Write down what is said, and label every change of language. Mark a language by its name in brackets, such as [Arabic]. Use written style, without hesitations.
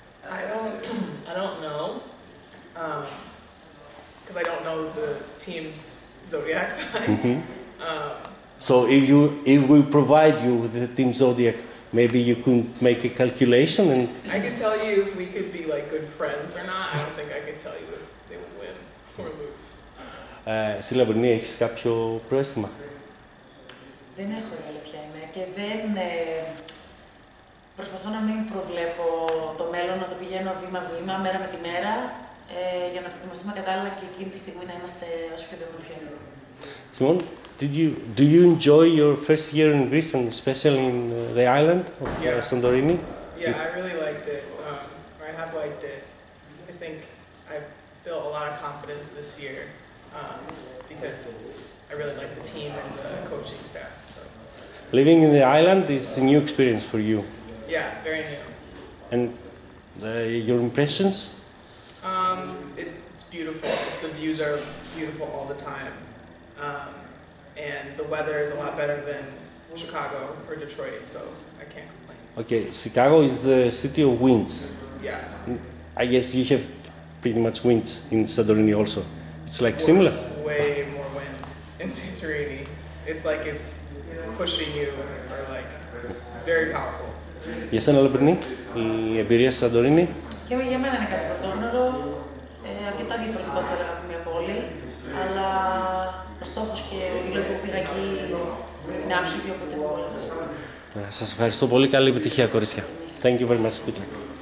[English] I don't know, because I don't know the team's zodiac signs. Mm-hmm. So, if we provide you with the team zodiac. Maybe you can make a calculation and I could tell you if we could be like good friends or not. I don't think I could tell you if they would win or lose. [Greek] Εσύ, Λαμπρινή, έχεις κάποιο πρόστιμα? Δεν έχω, η αλήθεια είναι. Και δεν προσπαθώ να μην προβλέπω το μέλλον, να το πηγαίνω βήμα-βήμα, μέρα με τη μέρα, για να προετοιμαστούμε κατάλληλα και εκείνη τη στιγμή να είμαστε όσο πιο δυνατοί. [English] Σιμόν, Do you enjoy your first year in Greece and especially in the island of Santorini? Yeah, I really liked it. I have liked it. I think I built a lot of confidence this year because I really like the team and the coaching staff. So. Living in the island is a new experience for you. Yeah, very new. And your impressions? It's beautiful. The views are beautiful all the time. And the weather is a lot better than Chicago or Detroit, so I can't complain. Okay, Chicago is the city of winds. Yeah. I guess you have pretty much winds in Santorini also. It's like similar. Way more wind in Santorini. It's like it's pushing you, or like it's very powerful. Yes, and [Greek] Λαμπρινή, η εμπειρία στη Σαντορίνη. Και για μένα είναι κάτι πρωτόγνωρο. Αρκετά διαφορετικό θα έλεγα από μια πόλη, αλλά ο στόχος και η λόγη που πήγα εκεί είναι άψογη, οπότε πολύ ευχαριστώ. Σας ευχαριστώ πολύ. Καλή επιτυχία, κορίτσια. [English] Thank you very much. Good luck.